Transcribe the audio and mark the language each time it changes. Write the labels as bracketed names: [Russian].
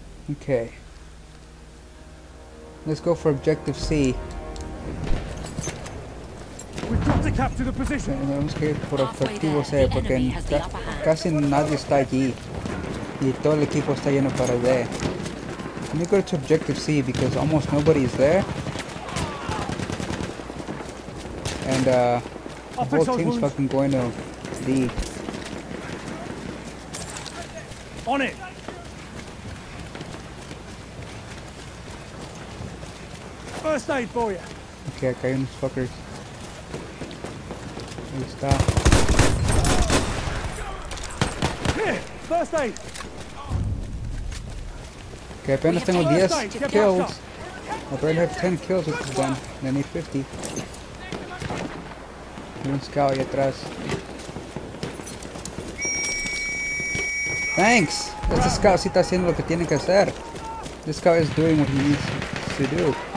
[English] Okay. Let's go for objective C. We've got to capture the position. [Spanish] Tenemos que ir por objetivo C porque casi nadie está allí. Y todo el equipo está lleno para D. [English] Let me go to objective C because almost nobody is there. And the whole team's fucking going to D. On it. First aid for you. Okay, I got you, fuckers. Here we stop. Here, first aid. Okay, [Spanish] apenas tengo 10 kills. [English] I better have 10 kills with this gun. I need 50. [Spanish] Un scout ahí atrás. [English] Thanks! [Spanish] Este scout sí está haciendo lo que tiene que hacer. [English] This scout is doing what he needs to do.